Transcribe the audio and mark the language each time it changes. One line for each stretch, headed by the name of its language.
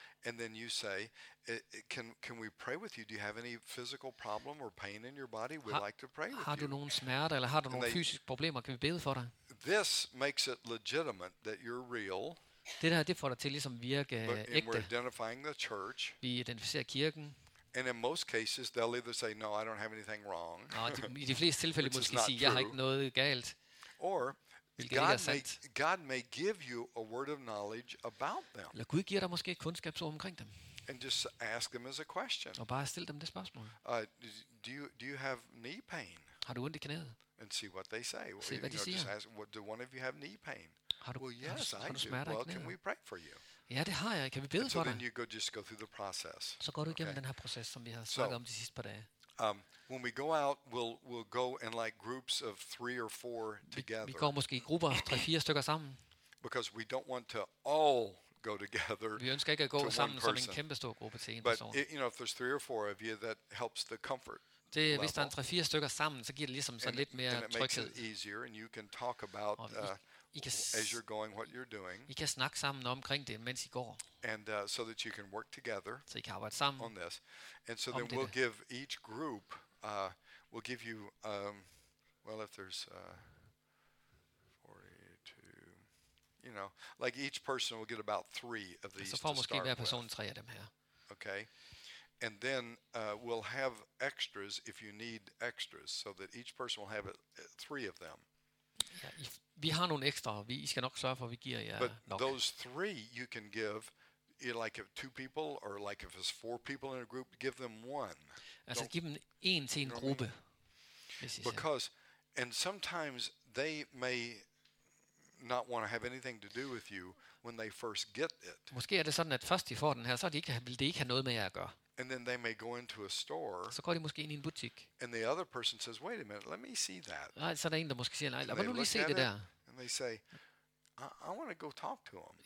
English: And then you say, can we pray with you? Do you have any physical problem or pain in your body? We'd like to pray with
Danish: you. Har du nogen smerter eller har du nogen fysiske problemer? Kan vi bede for dig?
English: This makes it legitimate that you're real.
Danish: Det her, det får dig til ligesom virke ægte.
English: We're identifying the church.
Danish: Vi identificerer kirken.
English: And in most cases, they'll either say, no, I don't have anything wrong.
Danish: I de fleste tilfælde må de sige, jeg har ikke noget galt.
English: Or, God may give you a word of knowledge about them.
Danish: Eller Gud giver dig måske et kundskabsord omkring dem.
English: And just ask them as a question.
Danish: Og bare stille dem det spørgsmål.
English: Do you have knee pain?
Danish: Har du ondt i knæet?
English: And see what they say.
Danish: Se, hvad de siger.
English: Just ask, do one of you have knee pain?
Danish: Har du,
English: well, yes,
Danish: har du,
English: I
Danish: har
English: do. Well, can we pray for you?
Danish: Ja, det har jeg. Kan vi bede
English: so
Danish: for
English: then
Danish: dig?
English: You go, just go through the process.
Danish: Så går du igennem den her proces, som vi har snakket om de sidste par dage.
English: When we go out, we'll go in like groups of three or four together.
Danish: Vi går måske i grupper, tre, fire stykker sammen.
English: Because we don't want to all go together.
Danish: Vi ønsker ikke at gå sammen som en kæmpe stor gruppe til en person.
English: But you know, if there's three or four of you, that helps the comfort.
Danish: Det, hvis der er tre, fire stykker sammen, så giver det ligesom så
English: and
Danish: lidt mere
English: it
Danish: tryghed.
English: Makes it easier, and you can talk about as you're going, what you're doing.
Danish: I kan snakke sammen omkring det, mens I går.
English: And so that you can work together. Så I kan arbejde sammen. On this, and so then we'll give each group. We'll give you. Well, if there's 42, you know, like each person will get about three of these.
Danish: Så får måske hver person tre af dem her.
English: Okay. And then we'll have extras if you need extras, so that each person will have three of them.
Danish: Ja, vi har nogle ekstra, og I skal nok sørge for, at vi giver jer
English: but
Danish: nok.
English: Those three you can give, like if two people, or like if it's four people in a group, give them one.
Danish: Altså give dem en til en gruppe.
English: Because, and sometimes they may not want to have anything to do with you when they first get it.
Danish: Måske er det sådan, at først de får den her, så vil de ikke have noget med jer at gøre.
English: And then they may go into a store.
Danish: Så går de måske ind i en butik.
English: And the other person says, "Wait a minute, let me see that."
Danish: Nej, så er der en, der måske siger, "Nej, lad mig lige se det der."
English: And they say, "I want to go talk to him."